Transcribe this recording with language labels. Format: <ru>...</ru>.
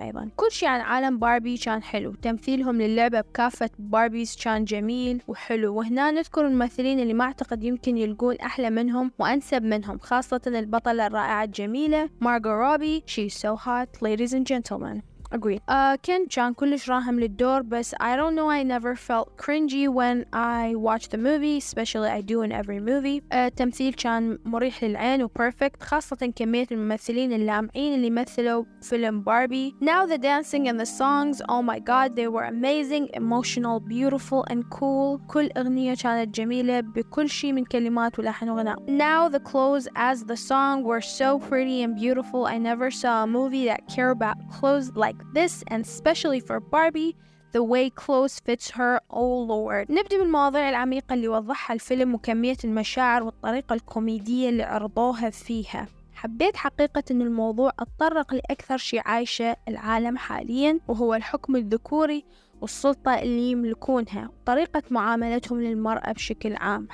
<ar>ايضا كل شيء عن عالم باربي كان حلو، تمثيلهم للعبه بكافه باربيز كان جميل وحلو. وهنا نذكر الممثلين اللي ما اعتقد يمكن يلقون احلى منهم وانسب منهم، خاصه البطله الرائعه الجميله مارجو روبي.</ar> <en>She so hot ladies and gentleman. اجري.</en> <ar>كان جان كلش راهم للدور</ar> <en>بس I don't know I never felt cringy when I watched the movie especially I do in every movie.</en> <ar>تمثيل كان مريح للعين وperfect خاصة كمية الممثلين اللامعين اللي مثلوا فيلم باربي.</ar> <en>Now the dancing and the songs, oh my god they were amazing, emotional, beautiful and cool.</en> <ar>كل أغنية كانت جميلة بكل شيء من كلمات ولحن وغناء.</ar> <en>Now the clothes as the song were so pretty and beautiful. I never saw a movie that care about clothes like this and especially for Barbie the way clothes fits her. Oh lord.</en> <ar>نبدأ بالمواضيع العميقة اللي وضحها الفيلم وكمية المشاعر والطريقة الكوميدية اللي عرضوها فيها. حبيت حقيقة ان الموضوع اتطرق لأكثر شيء عايشة العالم حاليا وهو الحكم الذكوري والسلطة اللي يملكونها وطريقة معاملتهم للمرأة بشكل عام.</ar>